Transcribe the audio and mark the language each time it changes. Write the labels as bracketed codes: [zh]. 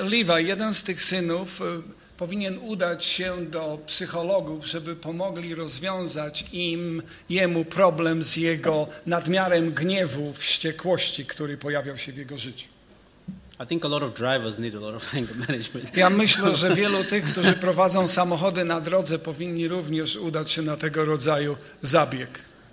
[pl] Levi, jeden z tych synów, powinien udać się do psychologów, żeby pomogli rozwiązać jemu problem z jego nadmiarem gniewu, wściekłości, który pojawiał się w jego życiu. [en] I think a lot of drivers need a lot of anger management. [pl] Ja myślę, że wielu tych, którzy prowadzą samochody na drodze, powinni również udać się na tego rodzaju zabieg.